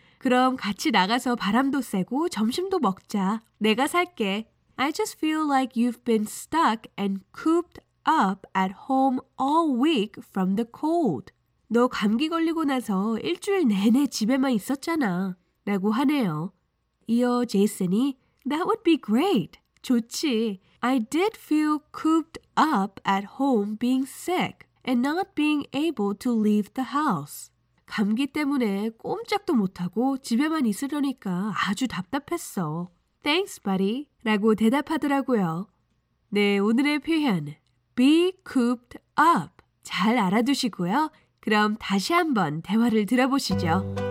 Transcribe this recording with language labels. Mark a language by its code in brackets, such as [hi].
[ko] 그럼 같이 나가서 바람도 쐬고 점심도 먹자. 내가 살게. [en] I just feel like you've been stuck and cooped up at home all week from the cold. [ko] 너 감기 걸리고 나서 일주일 내내 집에만 있었잖아. 라고 하네요. 이어 제이슨이 [en] That would be great. [ko] 좋지. [en] I did feel cooped up at home being sick and not being able to leave the house. [ko] 감기 때문에 꼼짝도 못하고 집에만 있으려니까 아주 답답했어. [en] Thanks, buddy. [ko] 라고 대답하더라고요. 네, 오늘의 표현 [en] be cooped up [ko] 잘 알아두시고요. 그럼 다시 한번 대화를 들어보시죠.